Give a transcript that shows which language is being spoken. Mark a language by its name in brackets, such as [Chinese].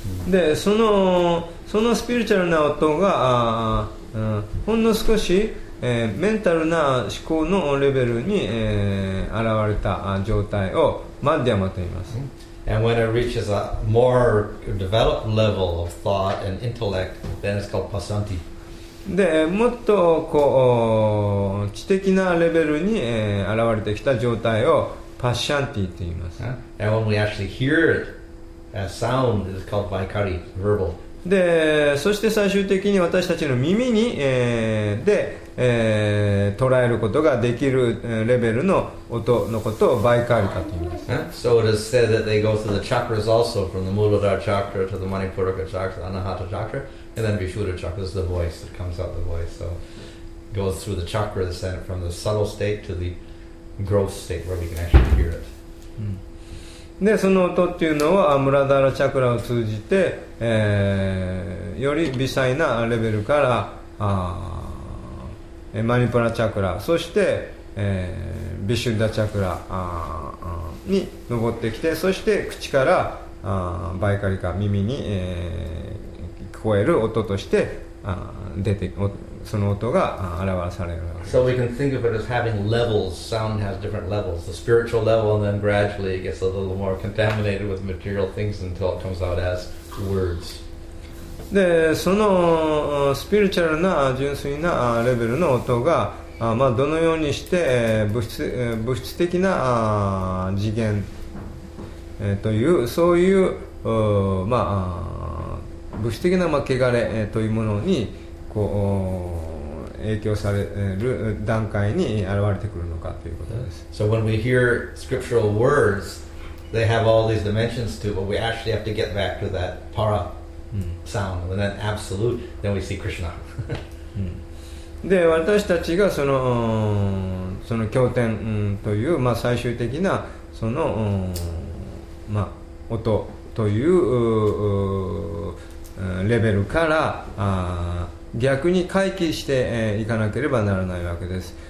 [Japanese] で、そのスピリチュアルな音がほんの少しメンタルな思考のレベルに、現れた状態をマッディアマと言います。 [English] And when it reaches a more developed level of thought and intellect, then it's called pasanti. [Japanese] で、もっとこう知的なレベルに、現れてきた状態をパッシャンティと言います。 [English] And when we actually hear it as sound, it's called vaikari, verbal. [Japanese] で、そして最終的に私たちの耳に、で捉えることができるレベルの音のことをバイカリカと言います。 [English] So it is said that they go through the chakras also, from the Muladhara chakra to the Manipuraka chakra, Anahata chakra, and then Vishuddha chakra. This is the voice that comes out of the voice. So it goes through the chakras and from the subtle state to the gross state where we can actually hear it. [Japanese] で、その音っていうのはムラダラチャクラを通じて、より微細なレベルからマニプラチャクラ、そして、ビシュッダチャクラに上ってきて、そして口からバイカリカ、耳に、聞こえる音として出て、その音が表されるわけです。 [English] So we can think of it as having levels. Sound has different levels. The spiritual level, and then gradually it gets a little more contaminated with material things until it comes out as words. [Japanese] で、そのスピリチュアルな純粋なレベルの音が、まあ、どのようにして物質的な次元というそういう、まあ、物質的な汚れというものにこう影響される段階に現れてくるのかということです。 [English] So when we hear scriptural words, they have all these dimensions too, but we actually have to get back to that para. Sound, and then absolute, then we see Krishna. [Japanese] で、私たちがその経典という、まあ、最終的なその、まあ、音というレベルから逆に回帰していかなければならないわけです。